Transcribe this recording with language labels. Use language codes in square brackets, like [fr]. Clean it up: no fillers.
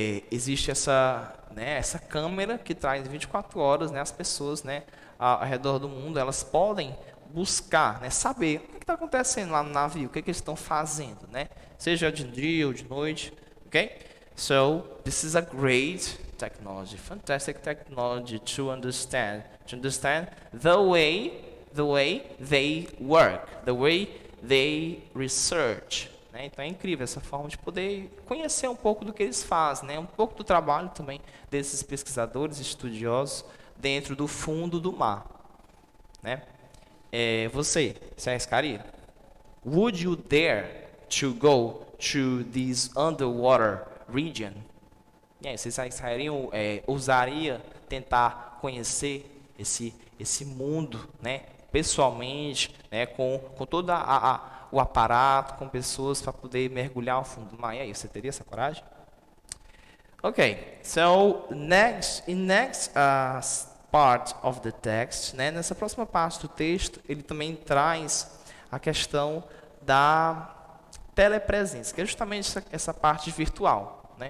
[pt] Existe essa, né, essa câmera que traz 24 horas, né, as pessoas, né, ao redor do mundo, elas podem buscar, né, saber o que está acontecendo lá no navio, o que eles estão fazendo, né? Seja de dia ou de noite, ok? [en] So, this is a great technology, fantastic technology to understand the way they work, the way they research. [pt] Né? Então é incrível essa forma de poder conhecer um pouco do que eles fazem, né? Um pouco do trabalho também desses pesquisadores, estudiosos dentro do fundo do mar. Né? Você se arriscaria? [en] Would you dare to go to this underwater region? [pt] E aí, vocês sairiam, ousaria tentar conhecer esse mundo, né, pessoalmente, né, com todo o aparato, com pessoas para poder mergulhar ao fundo do mar? E aí, você teria essa coragem? [en] Ok, so next part of the text, [pt] né, nessa próxima parte do texto, ele também traz a questão da telepresença, que é justamente essa parte virtual.